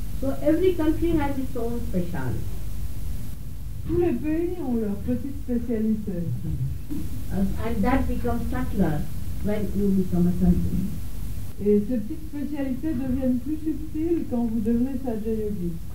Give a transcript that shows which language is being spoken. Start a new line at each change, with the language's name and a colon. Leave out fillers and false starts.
English: So every country has its own speciality.
French: Tous les pays ont leur petite spécialité.
English: And that becomes subtler when you become a country.
French: Et ces petites spécialités deviennent plus subtiles quand vous devenez sage yogi.